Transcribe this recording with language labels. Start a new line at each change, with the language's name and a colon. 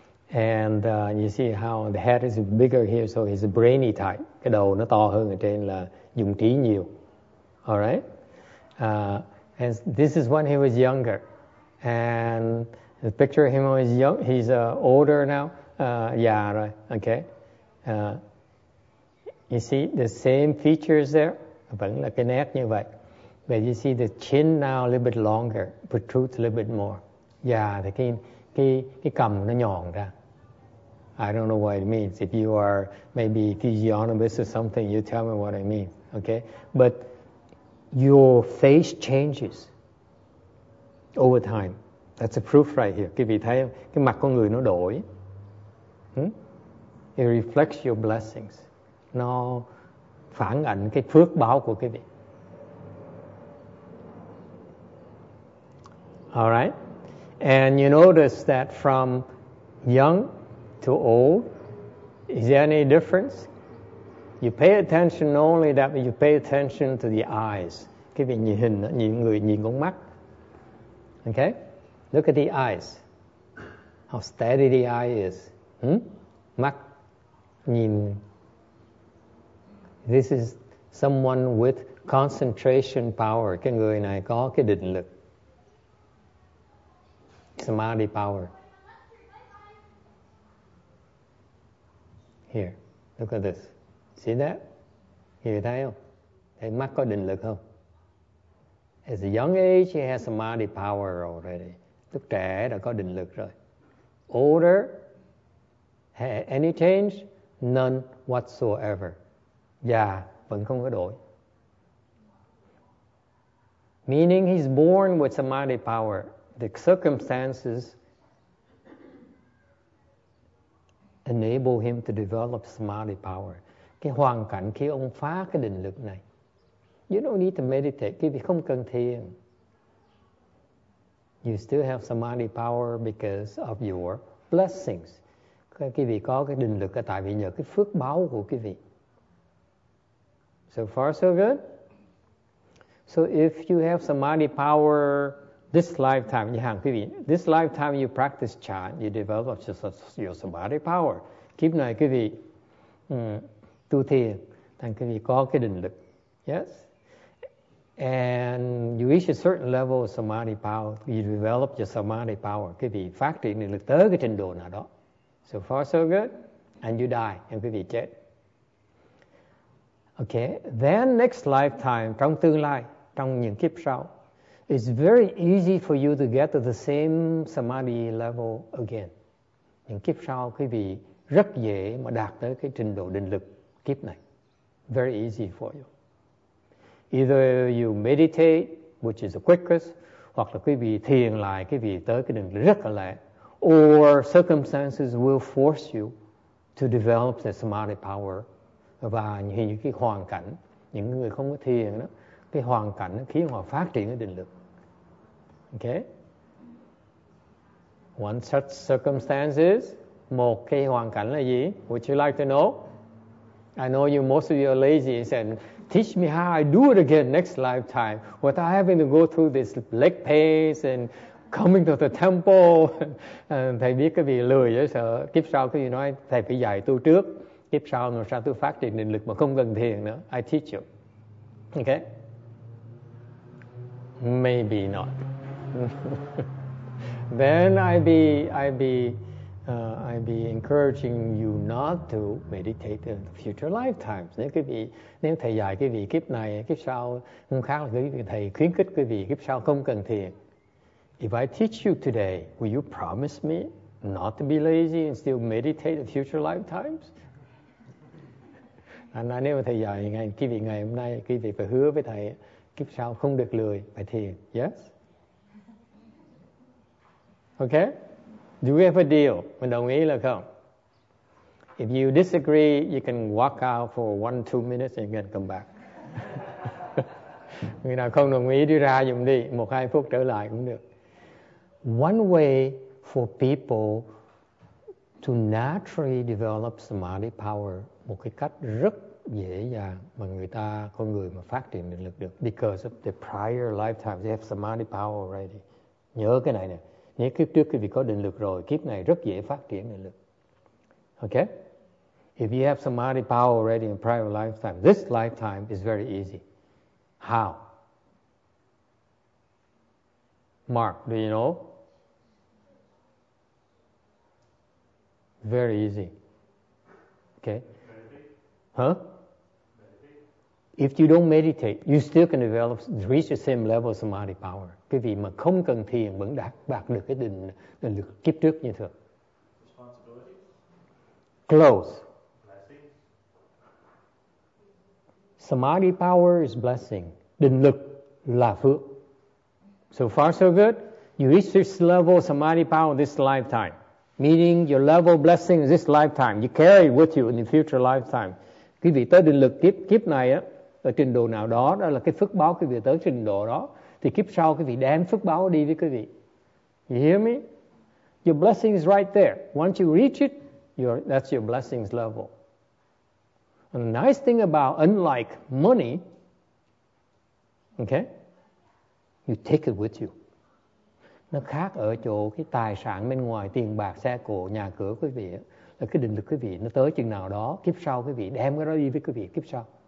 English: And you see how the head is bigger here, so he's a brainy type.
Vietnamese: Cái đầu nó to hơn ở trên là dùng trí nhiều.
English: All right? And this is when he was younger. And the picture of him was young. He's older now. Yeah, right. Okay. You see the same features there?
Vietnamese: Vẫn là cái nét như vậy.
English: But you see the chin now a little bit longer, protrudes a little bit more. Yeah, the
Vietnamese: cái cằm nó nhọn ra.
English: I don't know what it means. If you are maybe physiognomist or something, you tell me what I mean, okay? But your face changes over time. That's a proof right here.
Vietnamese: Quý vị thấy cái mặt con người nó đổi.
English: It reflects your blessings.
Vietnamese: Nó phản ảnh cái phước báo của quý vị.
English: All right? And you notice that from young to old, is there any difference? You pay attention not only that, but you pay attention to the eyes.
Vietnamese: Cái vị nhìn hình, nhìn người, nhìn con mắt.
English: Okay? Look at the eyes. How steady the eye is.
Vietnamese: Mắt, nhìn.
English: This is someone with concentration power.
Vietnamese: Cái người này có cái định lực.
English: Samadhi power. Here, look at this. See that?
Vietnamese: Quý vị thấy không? Thấy mắt có định lực không?
English: As a young age, he has samadhi power already.
Vietnamese: Lúc trẻ đã có định lực rồi.
English: Older, any change? None whatsoever.
Vietnamese: Già, vẫn không có đổi.
English: Meaning he's born with samadhi power. The circumstances enable him to develop samadhi power.
Vietnamese: Cái hoàn cảnh khi ông phá cái định lực này.
English: You don't need to meditate.
Vietnamese: Quý vị không cần thiền.
English: You still have samadhi power because of your blessings.
Vietnamese: Quý vị có cái định lực tại vì nhờ cái phước báo của quý vị.
English: So far so good? So if you have samadhi power this lifetime, this lifetime you practice chan, you develop your samadhi power.
Vietnamese: kiếp này quý vị tu thiền, thành quý vị có cái định lực.
English: Yes. And you reach a certain level of samadhi power, you develop your samadhi power,
Vietnamese: quý vị phát triển định lực tới cái trình độ nào đó.
English: So far so good, and you die, and
Vietnamese: quý vị chết.
English: Okay, then next lifetime,
Vietnamese: trong tương lai, trong những kiếp sau,
English: it's very easy for you to get to the same samadhi level again.
Vietnamese: Những kiếp sau, quý vị rất dễ mà đạt tới cái trình độ định lực kiếp này.
English: Very easy for you. Either you meditate, which is the quickest,
Vietnamese: hoặc là quý vị thiền lại, quý vị tới cái định lực rất là lẹ.
English: Or circumstances will force you to develop the samadhi power.
Vietnamese: Và những cái hoàn cảnh, những người không có thiền đó, cái hoàn cảnh nó khiến họ phát triển cái định lực.
English: Okay? One such circumstances,
Vietnamese: một cái hoàn cảnh là gì?
English: Would you like to know? I know you, most of you are lazy and said, teach me how I do it again next lifetime without having to go through this leg pace and coming to the temple.
Vietnamese: Thầy biết cái vị lười vậy, sợ kiếp sau cái gì nói thầy phải dạy tu trước, kiếp sau làm sao tôi phát triển định lực mà không cần thiền nữa.
English: I teach you. Okay? Maybe not. Then I'd be encouraging you not to meditate in future lifetimes.
Vietnamese: Nếu quý vị, nếu thầy dạy quý vị kiếp này, kiếp sau không khác là quý vị, thầy khuyến khích quý vị kiếp sau không cần thiền.
English: If I teach you today, will you promise me not to be lazy and still meditate in future lifetimes?
Vietnamese: Anh nói nếu thầy dạy ngày quý vị ngày hôm nay, quý vị phải hứa với thầy kiếp sau không được lười phải thiền.
English: Yes? Okay? Do we have a deal?
Vietnamese: Mình đồng ý là không?
English: If you disagree, you can walk out for 1-2 minutes and then come back.
Vietnamese: Người nào không đồng ý đi ra dùm đi, 1-2 phút trở lại cũng được.
English: One way for people to naturally develop samadhi power,
Vietnamese: một cái cách rất dễ dàng mà người ta, con người mà phát triển định lực được,
English: because of the prior lifetime, they have samadhi power already.
Vietnamese: Nhớ cái này nè. Nếu kiếp trước quý vị có định lực rồi, kiếp này rất dễ phát triển định lực.
English: Okay? If you have samadhi power already in prior lifetime, this lifetime is very easy. How? Mark, do you know? Very easy. Okay? Huh? If you don't meditate, you still can develop, reach the same level of samadhi power.
Vietnamese: Quý vị mà không cần thiền vẫn đạt bạc được cái định lực kiếp trước như thường.
English: Close. Samadhi power is blessing.
Vietnamese: Định lực là phước.
English: So far so good. You reach this level of samadhi power this lifetime. Meaning your level of blessing this lifetime. You carry it with you in the future lifetime.
Vietnamese: Quý vị tới định lực kiếp này á, ở trình độ nào đó, đó là cái phước báo quý vị tới trình độ đó. Thì kiếp sau quý vị đem phước báo đi với quý vị.
English: You hear me? Your blessing is right there. Once you reach it, that's your blessings level. And the nice thing about, unlike money, okay, you take it with you.
Vietnamese: Nó khác ở chỗ cái tài sản bên ngoài, tiền bạc, xe cộ, nhà cửa quý vị, là cái định lực quý vị nó tới chừng nào đó, kiếp sau quý vị đem cái đó đi với quý vị kiếp sau.